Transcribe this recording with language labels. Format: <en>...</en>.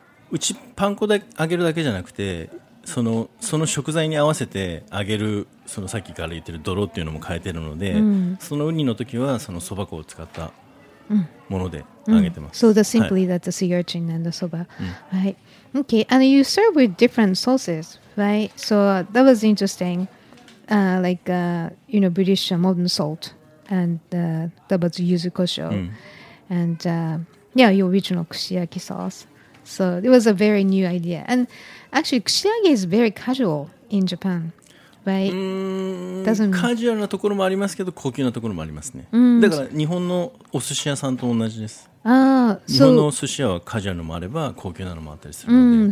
<ja>うちパン粉で揚げるだけじゃなくて、その食材に合わせて揚げる、そのさっきから言ってる泥っていうのも変えてるので、そのウニの時はそのそば粉を使ったもので揚げてます。</ja> <en>So simply that's the sea urchin and the soba. Right. Okay, and you serve with different sauces, right? So that was interesting, British modern salt, and that was yuzu kosho, and your original kushiyaki sauce. So it was a very new idea. And actually, kushiyaki is very casual in Japan, right?</en> <ja>Casual なところもありますけど、高級なところもありますね。だから日本のお寿司屋さんと同じです。</ja> <en>So,</en> <ja>日本の寿司屋はカジュアルのもあれば高級なのもあったりするので、</ja>